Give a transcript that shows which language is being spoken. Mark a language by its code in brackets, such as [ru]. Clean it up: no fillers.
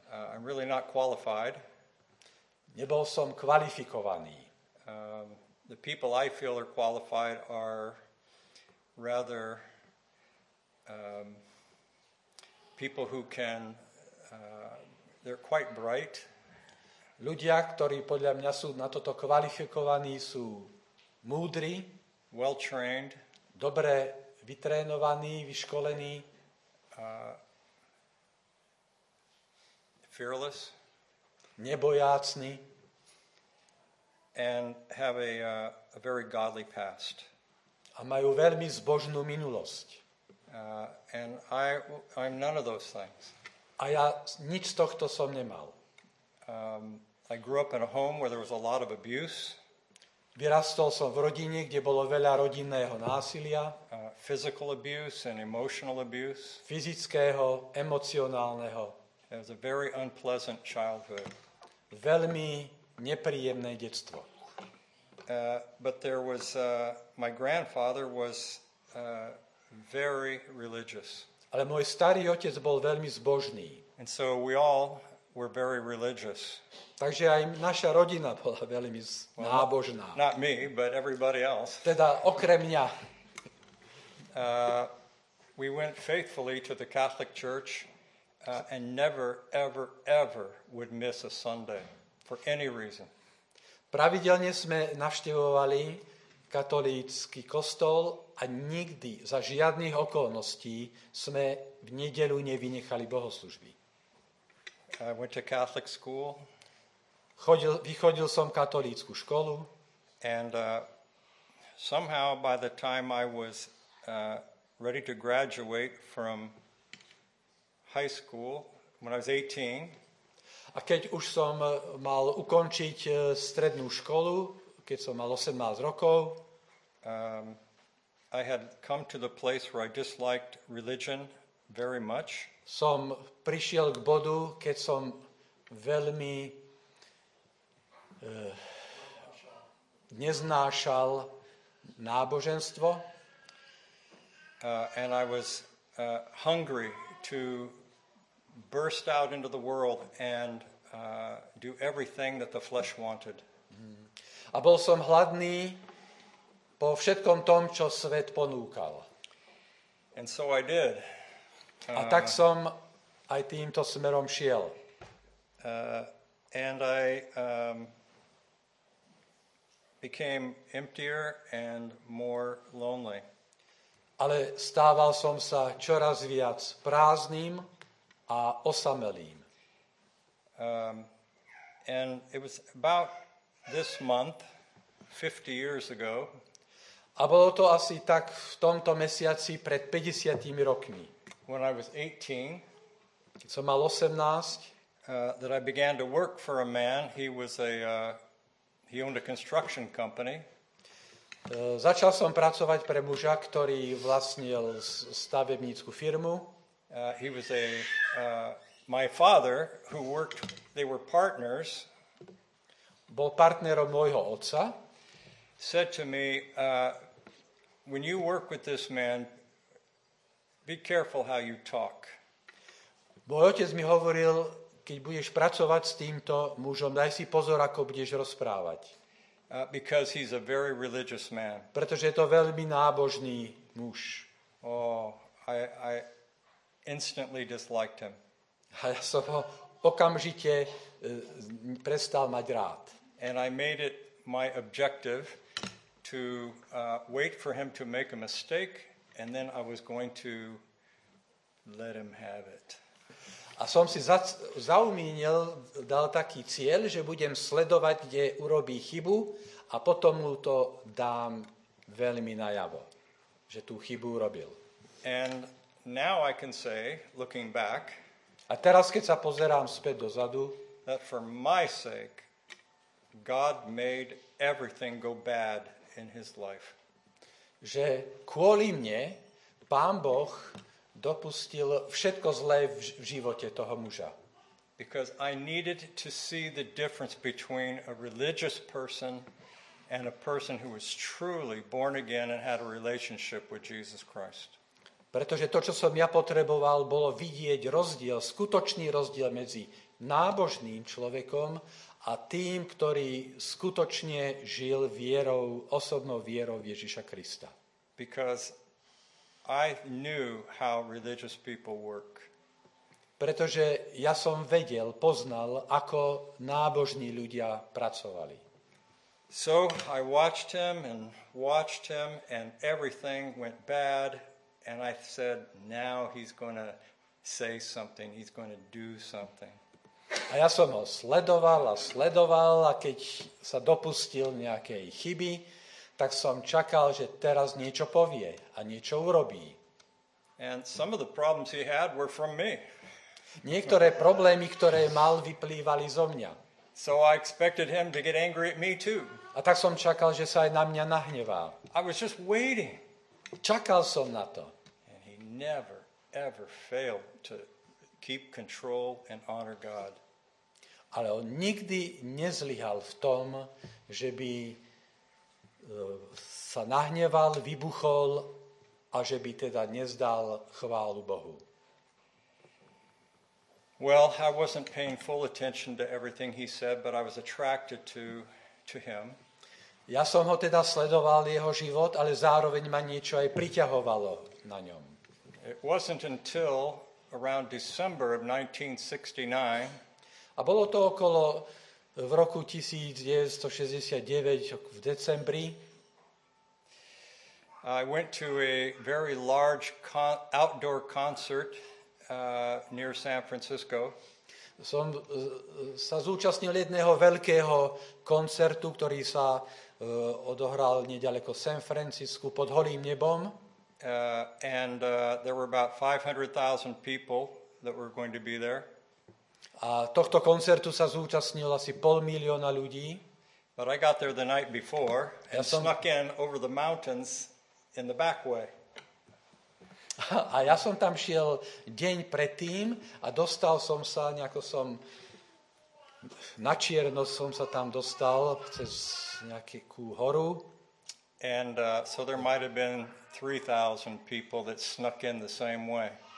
[en] I'm really not qualified. [sk] Nebol som kvalifikovaný. [en] The people I feel are qualified are rather people who can they're quite bright. [sk] Ľudia, ktorí podľa mňa sú na toto kvalifikovaní, sú múdri, [en] well trained, [sk] dobre vytrénovaní, vyškolení, [en] fearless, [sk] nebojácni [en] and have a very godly past. [sk] A majú veľmi zbožnú minulosť. [en] And I'm none of those things. [sk] A ja nič z tohto som nemal. [en] I grew up in a home where there was a lot of abuse. [sk] Vyrastol som v rodine, kde bolo veľa rodinného násilia. [en] Physical abuse and emotional abuse. [sk] Fyzického, emocionálneho. [en] It was a very unpleasant childhood. [sk] Veľmi nepríjemné detstvo. [en] But there was my grandfather was very religious. [sk] Ale môj starý otec bol veľmi zbožný. [en] And so we all were very religious. [sk] Takže aj naša rodina bola veľmi nábožná. [en] Well, not me, but everybody else. [sk] Teda okrem mňa. [en] We went faithfully to the Catholic Church and never ever ever would miss a Sunday for any reason. [sk] Pravidelne sme navštevovali katolícky kostol A nikdy za žiadnych okolností sme v nedeľu nevynechali bohoslužby. [en] I went to Catholic school. [sk] Vychodil som katolícku školu. [en] And somehow by the time I was ready to graduate from high school when I was 18. [sk] A keď už som mal ukončiť strednú školu, keď som mal 18 rokov, [en] I had come to the place where I disliked religion very much. [sk] Som prišiel k bodu, keď som veľmi neznášal náboženstvo. [en] And I was hungry to burst out into the world and do everything that the flesh wanted. [sk] A bol som hladný po všetkom tom, čo svet ponúkal. [en] And so I did. [sk] A tak som aj týmto smerom šiel. [en] And I became emptier and more lonely. [sk] Ale stával som sa čoraz viac prázdnym a osamelým. [en] And it was about this month 50 years ago. [sk] A bolo to asi tak v tomto mesiaci pred 50 rokmi. [en] When I was 18, [sk] keď som mal 18, [en] that I began to work for a man. He was a he owned a construction company. [sk] Začal som pracovať pre muža, ktorý vlastnil stavebnícku firmu. [en] He was a my father who worked, they were partners. [sk] Bol partnerom môjho otca. [en] Said to me, when you work with this man, be careful how you talk. [sk] Môj otec mi hovoril, keď budeš pracovať s týmto mužom, daj si pozor, ako budeš rozprávať. [en] Because he's a very religious man. [sk] Pretože je to veľmi nábožný muž. [en] Oh, I instantly disliked him. [sk] A ja som ho okamžite prestal mať rád. [en] And I made it my objective to wait for him to make a mistake and then I was going to let him have it. [sk] A som si zaumínil, dal taký cieľ, že budem sledovať, kde urobí chybu a potom mu to dám veľmi najavo, že tú chybu urobil. [en] And now I can say, looking back, [sk] a teraz, keď sa pozerám späť dozadu, [en] that for my sake, God made everything go bad in his life. [sk] Že kvôli mne Pán Boh dopustil všetko zlé v živote toho muža. [en] Because I needed to see the difference between a religious person and a person who was truly born again and had a relationship with Jesus Christ. [sk] Pretože to, čo som ja potreboval, bolo vidieť rozdiel, skutočný rozdiel medzi nábožným človekom a tým, ktorý skutočne žil vierou, osobnou vierou Ježiša Krista. [en] Because I knew how religious people work. [sk] Pretože ja som vedel, poznal, ako nábožní ľudia pracovali. [en] So I watched him and watched him and everything went bad and I said, now he's going to say something, he's going to do something. [sk] A ja som ho sledoval a sledoval a keď sa dopustil nejakej chyby, tak som čakal, že teraz niečo povie a niečo urobí. [en] And some of the problems he had were from me. [sk] Niektoré problémy, ktoré mal, vyplývali zo mňa. [en] So I expected him to get angry at me too. [sk] A tak som čakal, že sa aj na mňa nahnevá. [en] I was just waiting. [sk] Čakal som na to. [en] And he never ever failed to keep control and honor God. [sk] Ale on nikdy nezlyhal v tom, že by sa nahneval, vybuchol a že by teda nezdal chválu Bohu. [en] Well, I wasn't paying full attention to everything he said, but I was attracted to him. [sk] Ja som ho teda sledoval jeho život, ale zároveň ma niečo aj priťahovalo na ňom. [en] It wasn't until around December of 1969. [sk] A bolo to okolo v roku 1969 v decembri. [en] I went to a very large outdoor concert near San Francisco. [sk] Som sa zúčastnil jedného veľkého koncertu, ktorý sa odohral neďaleko San Francisco pod holým nebom. [en] There were about 500,000 people that were going to be there. [sk] A tohto koncertu sa zúčastnilo asi 500,000 ľudí. [en] But I got there the night before and snuck in over the mountains in the back way. [sk] A ja som tam šiel deň predtým a dostal som sa, nejako som na čierno som sa tam dostal cez nejakú horu. [en] And so there might have been 3,000 people that snuck in the same way.